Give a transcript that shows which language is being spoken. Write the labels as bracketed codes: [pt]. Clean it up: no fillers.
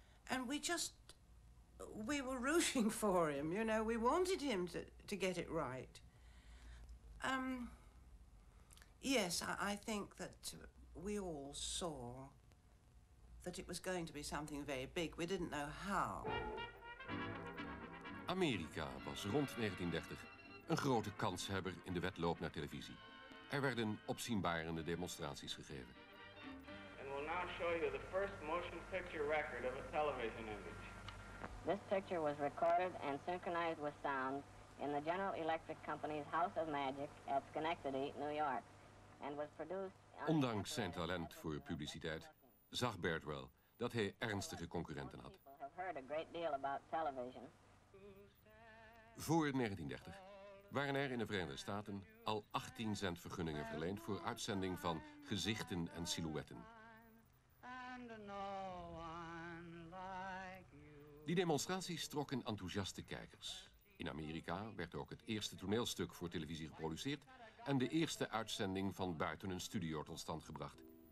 [en] And we were rooting for him, you know, we wanted him to get it right. Yes, I think that we all saw that it was going to be something very big. We didn't know how. [nl] Amerika was rond 1930 een grote kanshebber in de wedloop naar televisie. Er werden opzienbarende demonstraties gegeven. [en] And we'll now show you the first motion picture record of a television image. This picture was recorded and synchronized with sound in the General Electric Company's House of Magic at Schenectady, New York, and was produced. [nl] Ondanks zijn talent voor publiciteit zag Baird wel dat hij ernstige concurrenten had. [en] People have heard a great deal about television. [nl] Voor 1930 waren er in de Verenigde Staten al 18 zendvergunningen verleend voor uitzending van gezichten en silhouetten. Die demonstraties trokken enthousiaste kijkers. In Amerika werd ook het eerste toneelstuk voor televisie geproduceerd en de eerste uitzending van buiten een studio tot stand gebracht.